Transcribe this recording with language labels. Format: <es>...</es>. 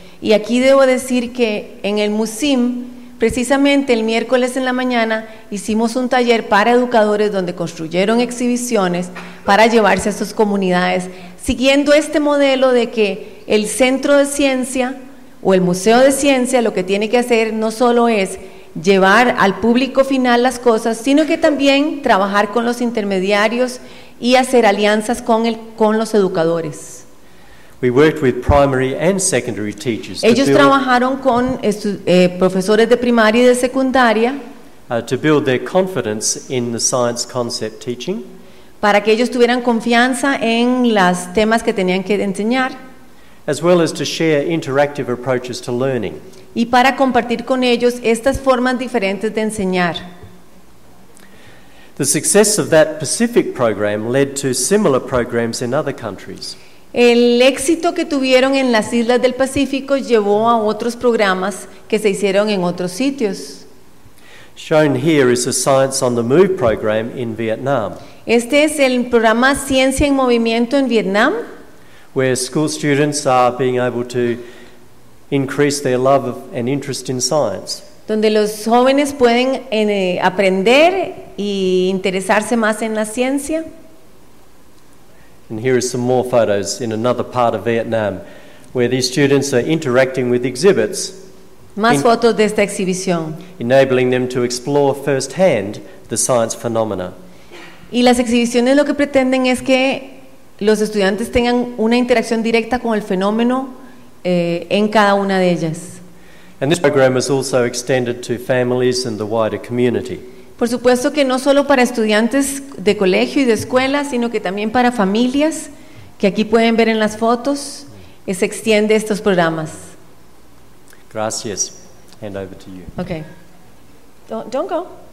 <es>Y aquí debo decir que en el MUSIM, precisamente el miércoles en la mañana, hicimos un taller para educadores donde construyeron exhibiciones para llevarse a sus comunidades, siguiendo este modelo de que el centro de ciencia o el museo de ciencia lo que tiene que hacer no solo es llevar al público final las cosas, sino que también trabajar con los intermediarios y hacer alianzas con los educadores.</es> <en>We worked with primary and secondary teachers.</en> <es>Ellos trabajaron con profesores de primaria y de secundaria.</es> <en>To build their confidence in the science concept teaching.</en> <es>Para que ellos tuvieran confianza en los temas que tenían que enseñar.</es> <en>As well as to share interactive approaches to learning.</en> <es>Y para compartir con ellos estas formas diferentes de enseñar.</es> <en>The success of that Pacific program led to similar programs in other countries.</en> <es>El éxito que tuvieron en las islas del Pacífico llevó a otros programas que se hicieron en otros sitios.</es> <en>Shown here is a Science on the Move program in Vietnam.</en> <es>Este es el programa Ciencia en Movimiento en Vietnam,</es> <en>where school students are being able to increase their love and interest in science.</en> <es>Donde los jóvenes pueden aprender y interesarse más en la ciencia.</es> <en>And here are some more photos in another part of Vietnam where these students are interacting with exhibits.</en> <es>Más fotos de esta exhibición.</es> <en>Enabling them to explore firsthand the science phenomena.</en> <es>Y las exhibiciones lo que pretenden es que los estudiantes tengan una interacción directa con el fenómeno en cada una de ellas.</es> <en>And this program is also extended to families and the wider community.</en> <es>Por supuesto que no solo para estudiantes de colegio y de escuela, sino que también para familias, que aquí pueden ver en las fotos, se extiende estos programas.</es> <en>Gracias. Hand over to you. Okay. Don't go.</en>